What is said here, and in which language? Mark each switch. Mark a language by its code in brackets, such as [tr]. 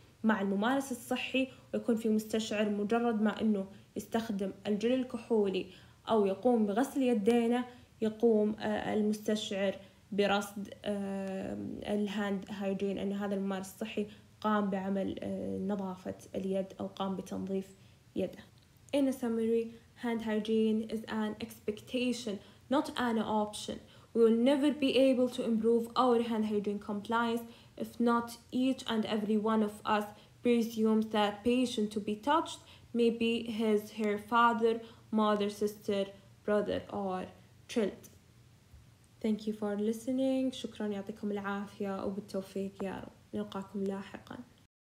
[ar] مع الممارس الصحي، ويكون في مستشعر مجرد ما أنه يستخدم الجل الكحولي أو يقوم بغسل يدينا يقوم المستشعر برصد الهاند هايجين، أن هذا الممارس الصحي قام بعمل نظافة اليد أو قام بتنظيف يده. [en] In a summary, Hand hygiene is an expectation, not an option. We will never be able to improve our hand hygiene compliance if not each and every one of us presumes that patient to be touched may be his, her father, mother, sister, brother, or child. Thank you for listening. [ar] شكرا يعطيكم العافية وبالتوفيق يا رب. نلقاكم لاحقاً.